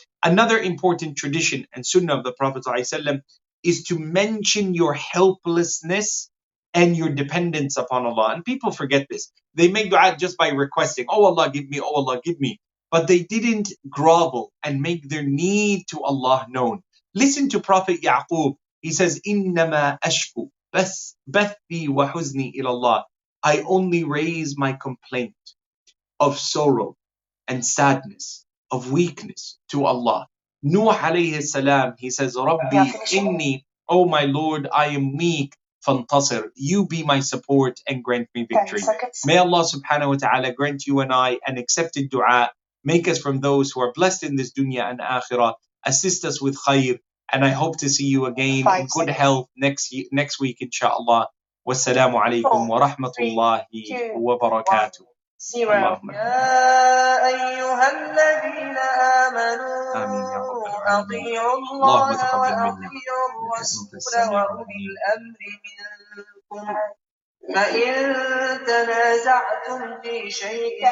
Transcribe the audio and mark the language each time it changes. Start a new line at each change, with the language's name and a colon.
English: Another important tradition and sunnah of the Prophet ﷺ is to mention your helplessness and your dependence upon Allah. And people forget this. They make dua just by requesting, oh Allah, give me, oh Allah, give me. But they didn't grovel and make their need to Allah known. Listen to Prophet Ya'qub. He says,
Arabic: إِنَّمَا أَشْكُ بَثِّي وَحُزْنِي إِلَى اللَّهِ.
English: I only raise my complaint of sorrow and sadness, of weakness to Allah. Nuh alayhi salam, he says, Rabbi, inni, O my Lord, I am weak, fantasir. You be my support and grant me victory. May Allah subhanahu wa ta'ala grant you and I an accepted dua, make us from those who are blessed in this dunya and akhirah, assist us with khayr, and I hope to see you again in good health next week, inshallah. Wassalamu alaykum wa rahmatullahi wa barakatuh.
Arabic: يا أيها الذين آمنوا أطيعوا الله وأطيعوا الرسول وأولي الأمر منكم فإن تنازعتم في شيء